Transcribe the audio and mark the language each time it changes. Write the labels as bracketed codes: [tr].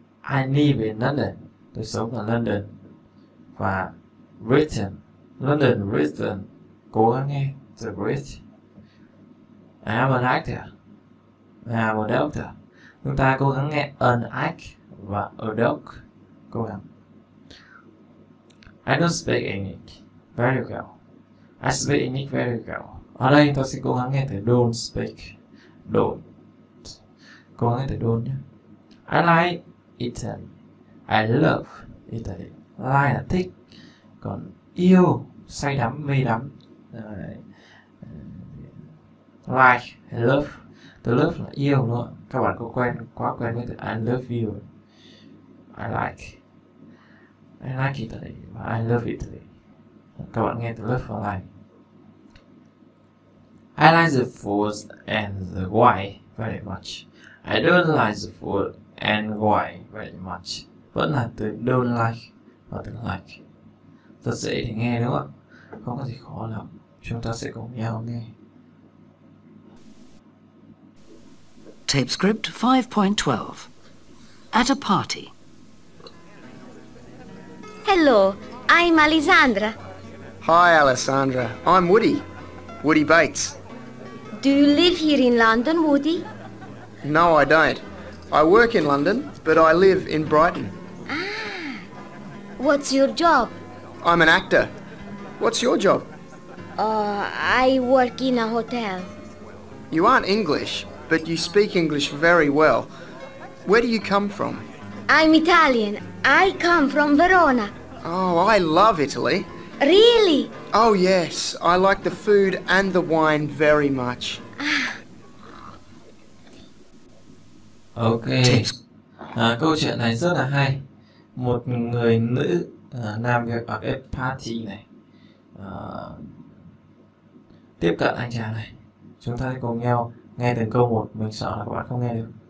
[en] I live in London. Tôi sống ở London. Và written. London written. Cố gắng nghe. The British. I am an actor. I am a doctor. [vi] Chúng ta cố gắng nghe an act và a doc. Cố gắng. [en] I don't speak English very well. I speak English very well. [vi] Ở đây tôi sẽ cố gắng nghe từ don't speak. Don't. Cố gắng nghe từ don't nhé. I like Italy. I love Italy. Like là thích. Còn yêu, say đắm, mê đắm. Like, I love. Từ love là yêu nữa. Các bạn có quen, quá quen với từ I love you. I like. I like Italy và I love Italy. Các bạn nghe từ love và like. [en] I like the food and the wine very much. I don't like the food and wine very much. [vi] Vẫn là từ don't like và từ like. Rất dễ để nghe đúng không ạ? Không có gì khó lắm. Chúng ta sẽ cùng nhau nghe. [en] Tape script 5.12. At a party. Hello, I'm Alessandra. Hi, Alessandra. I'm Woody. Woody Bates. Do you live here in London, Woody? No, I don't. I work in London, but I live in Brighton. Ah. What's your job? I'm an actor. What's your job? I work in a hotel. You aren't English, but you speak English very well. Where do you come from? I'm Italian. I come from Verona. Oh, I love Italy. Really? Oh, yes. I like the food and the wine very much. Okay. [vi] Câu chuyện này rất là hay. Một người nữ làm việc ở cái party này. Tiếp cận anh chàng này. Chúng ta cùng nhau nghe từng câu một. Mình sợ là các bạn không nghe được.